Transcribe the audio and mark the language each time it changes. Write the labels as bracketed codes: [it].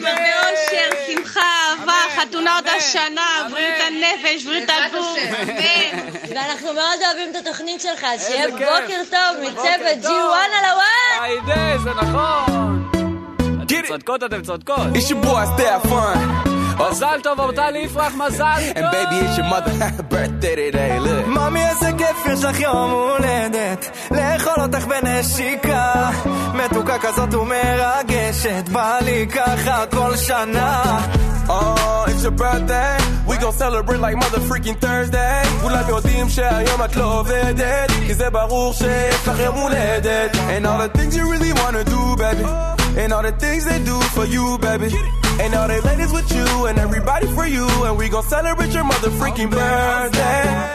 [he] באושר, שמחה, אהבה, חתונה עוד השנה, בריאות הנפש, בריאות הגוף. ואנחנו מאוד אוהבים את התוכנית שלך, שיהיה בוקר טוב מצוות G1 על הוואן. היידי, זה נכון. צודקות, אתם צודקות. [en] It's your boy, stay up fun. [he] מזל טוב, אורטל יפרח, מזל טוב. [en] And baby, it's your mother's birthday today, look. [he] מאמי, איזה כיף, יש לך יום הולדת. לאכול אותך בנשיקה. מתוקה כזאת ומרגשת. בא לי ככה כל שנה. [en] Oh, it's your birthday. We gon' celebrate like mother freaking Thursday. [he] כולם יודעים שהיום את לא עובדת. כי זה ברור שיש לך יום הולדת. [en] And all the things you really wanna do, baby. And all the things they do for you, baby. And all the ladies with you and everybody for you. And we gon' celebrate your mother freaking birthday.